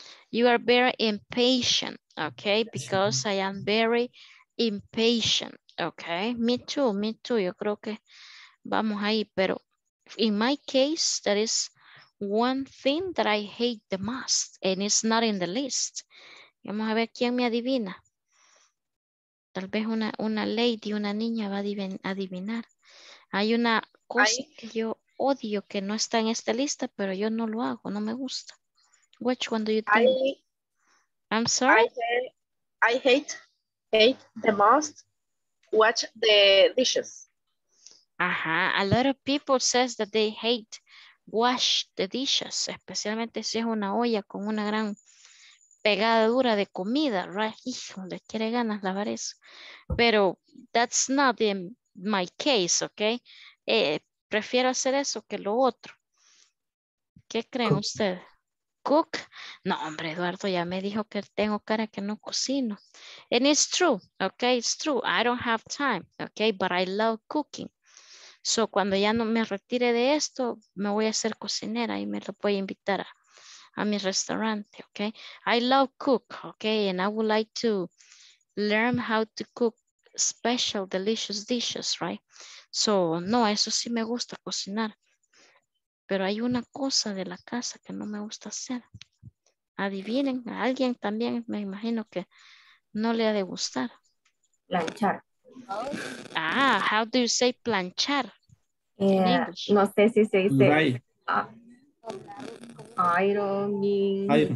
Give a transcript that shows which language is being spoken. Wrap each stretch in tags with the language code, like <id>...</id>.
<en>You are very impatient. Okay, because I am very impatient. Okay, me too, me too.</en> <es>Yo creo que vamos ahí, pero</es> <en>in my case, that is one thing that I hate the most, and it's not in the list.</en> <es>Vamos a ver quién me adivina. Tal vez una lady, una niña va a adivinar. Hay una cosa que yo odio que no está en esta lista, pero yo no lo hago, no me gusta.</es> <en>Which one do you think? I'm sorry. I hate the most watch the dishes. Ajá, a lot of people says that they hate wash the dishes,</en> <es>especialmente si es una olla con una gran pegadura de comida,</es> <en>right?</en> <es>Hijo, le quiere ganas lavar eso. Pero</es> <en>that's not the my case, okay?</en> <es>Prefiero hacer eso que lo otro. ¿Qué creen ustedes? ¿Cook? No, hombre, Eduardo ya me dijo que tengo cara que no cocino.</es> <en>And it's true, okay? It's true. I don't have time, okay? But I love cooking.</en> <es>So cuando ya no me retire de esto, me voy a hacer cocinera y me lo voy a invitar a mi restaurante, okay?</es> <en>I love cook, okay? And I would like to learn how to cook special delicious dishes, right?</en> <es>So, no, eso sí me gusta cocinar. Pero hay una cosa de la casa que no me gusta hacer. Adivinen, a alguien también me imagino que no le ha de gustar. Planchar.</es> <en>Ah, how do you say planchar?</en> <es>No sé si se dice. Ironing.</es>